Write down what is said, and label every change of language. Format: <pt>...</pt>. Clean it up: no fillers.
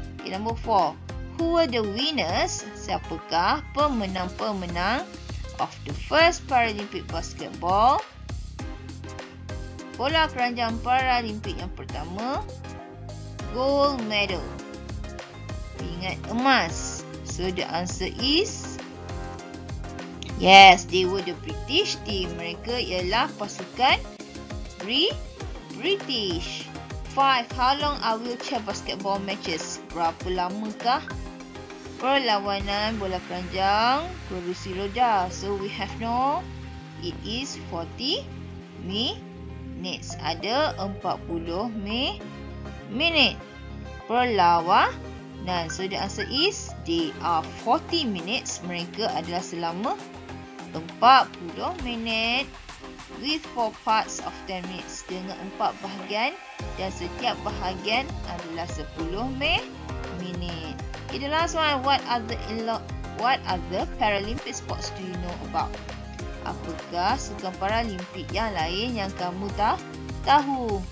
<en>Okay, number 4. Who were the winners?</en> <ms>Siapakah pemenang-pemenang</ms> <en>of the first Paralympic basketball?</en> <ms>Bola keranjang Paralympic yang pertama.</ms> <en>Gold medal.</en> <ms>Ingat emas.</ms> <en>So, the answer is yes, they were the British team.</en> <ms>Mereka ialah pasukan British.</ms> <en>5. How long are wheelchair basketball matches?</en> <ms>Berapa lamakah perlawanan bola keranjang kerusi roda?</ms> <en>So, we have now it is 40 minutes.</en> <ms>Ada 40 minit perlawanan.</ms> <en>Nah, so the answer is they are 40 minutes.</en> <ms>Mereka adalah selama 40 minit</ms> <en>with 4 parts of 10 minutes.</en> <ms>Dengan 4 bahagian dan setiap bahagian adalah 10 minit.</ms> <en>Okay, the last one. What other Paralympic sports do you know about?</en> <ms>Apakah sukan Paralympic yang lain yang kamu tahu?</ms>